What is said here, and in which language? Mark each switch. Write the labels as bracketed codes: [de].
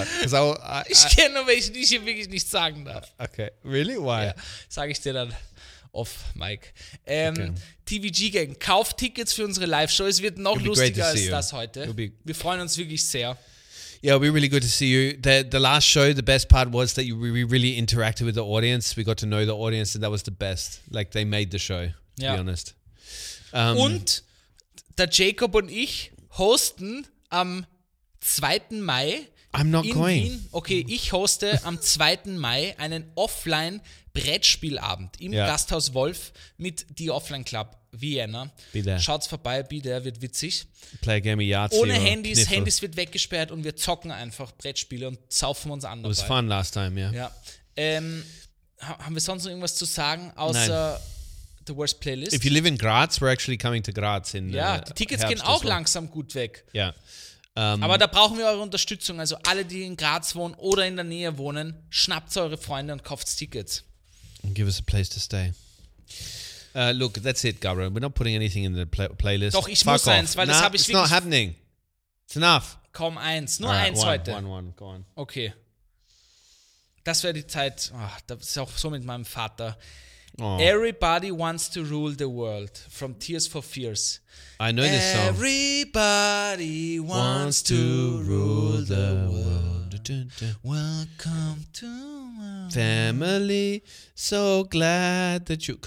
[de] Ich kenne nur welche, die ich hier wirklich nicht sagen darf. [en] Okay, really? Why? Ja, [de] sag ich dir dann off, Mike. TVG Gang, kauf Tickets für unsere Live-Show. Es wird noch lustiger als das heute. Wir freuen uns wirklich sehr. [en] Yeah, it'll be really good to see you. The last show, the best part was that we really interacted with the audience. We got to know the audience and that was the best. Like, they made the show, to be honest. [de] Und der Jacob und ich hosten am 2. Mai. [en] I'm not going. [de] Wien. Okay, ich hoste am 2. Mai einen Offline-Brettspielabend im Gasthaus Wolf mit The Offline Club Vienna. [en] Be there. [de] Schaut's vorbei, [en] be there, [de] wird witzig. [en] Play a game of Yahtzee. [de] Ohne Handys, Kniffel. Handys wird weggesperrt und wir zocken einfach Brettspiele und saufen uns an dabei. [en] It was fun last time, yeah. [de] Ja. Haben wir sonst noch irgendwas zu sagen, außer... [en] Nein. The worst playlist. If you live in Graz, we're actually coming to Graz in [de] Die Tickets Herbst gehen auch langsam gut weg. Ja. Aber da brauchen wir eure Unterstützung. Also alle, die in Graz wohnen oder in der Nähe wohnen, schnappt eure Freunde und kauft Tickets. [en] And give us a place to stay. Look, that's it, Gabriel. We're not putting anything in the playlist. [de] Doch, ich Fuck muss off. Eins, weil das habe ich [en] wirklich... It's not happening. It's enough. [de] Komm, eins. Nur right, eins [en] one, [de] heute. [en] One, go on. [de] Okay. Das wäre die Zeit... Oh, das ist auch so mit meinem Vater... Oh. [en] Everybody wants to rule the world from Tears for Fears. I know this song. Everybody wants to rule the world. Welcome to my family. So glad that you...